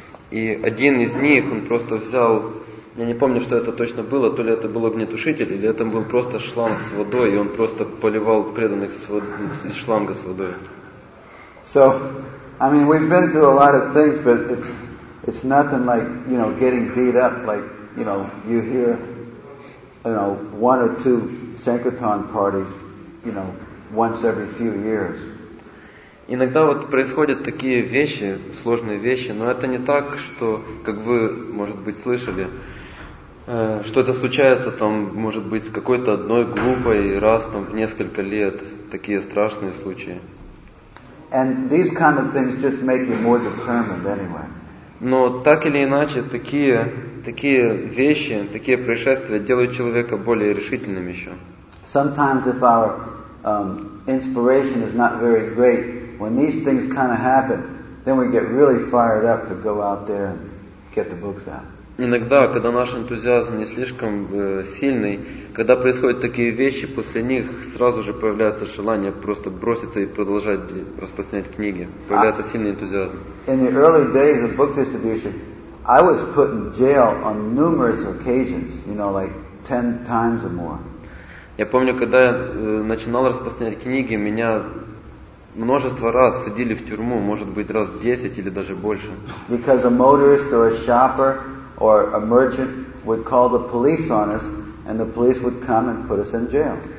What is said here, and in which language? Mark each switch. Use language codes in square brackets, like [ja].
[ru] И один из них, он просто взял, я не помню, что это точно было, то ли это был огнетушитель, или это был просто шланг с водой, и он просто поливал преданных из шланга с водой. [en] So, I mean, we've been through a lot of things, but it's nothing like, you know, getting beat up, like, you know, you hear, you know, one or two sankirtan parties, you know, once every few years. [ru] Иногда вот происходят такие вещи, сложные вещи, но это не так, что, как вы, может быть, слышали, что это случается там, может быть, с какой-то одной группой раз там в несколько лет, такие страшные случаи. [en] And these kind of things just make you more determined anyway. [ru] Но так или иначе, такие вещи, такие происшествия делают человека более решительным еще. [en] Sometimes if our inspiration is not very great, when these things kind of happen, then we get really fired up to go out there and get the books out. [ru] Иногда, когда наш энтузиазм не слишком сильный, когда происходят такие вещи, после них сразу же появляется желание просто броситься и продолжать распространять книги. Появляется сильный энтузиазм. [en] In the early days of book distribution, I was put in jail on numerous occasions, you know, like 10 times or more. [ru] Я помню, когда я начинал распространять книги, меня множество раз садили в тюрьму, может быть, раз 10 или даже больше. [en] Because a motorist or a shopper or a merchant would call the police on us, and the police would come and put us in jail.